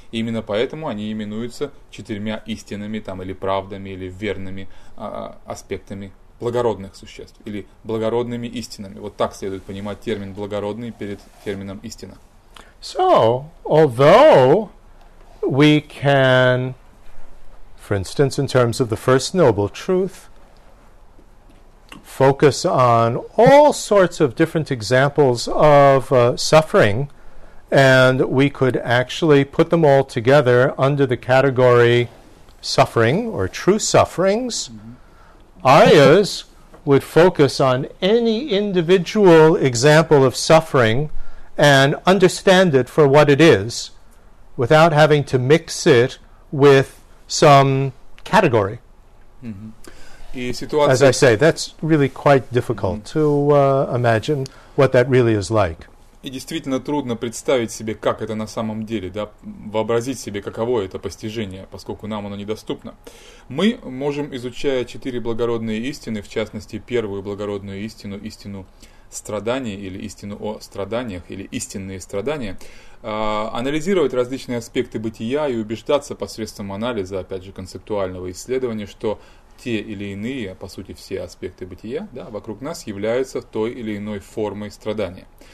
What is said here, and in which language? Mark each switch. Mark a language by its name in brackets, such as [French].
[Russian] И именно поэтому они именуются четырьмя истинными, там, или правдами, или верными аспектами благородных существ, или благородными истинами. Вот так следует понимать термин «благородный» перед термином «истина». [English] So, although we can, for instance, in terms of the first noble truth, focus on all sorts of different examples of suffering, and we could actually put them all together under the category suffering or true sufferings, Aryas would focus on any individual example of suffering and understand it for what it is, without having to mix it with some category. As I say, that's really quite difficult to imagine what that really is like. [Russian] И действительно трудно представить себе, как это на самом деле, да, вообразить себе, каково это постижение, поскольку нам оно недоступно. Мы можем, изучая четыре благородные истины, в частности, первую благородную истину, истину страдания или истину о страданиях, или истинные страдания, анализировать различные аспекты бытия и убеждаться посредством анализа, опять же, концептуального исследования, что те или иные, по сути, все аспекты бытия, да, вокруг нас являются той или иной формой страдания.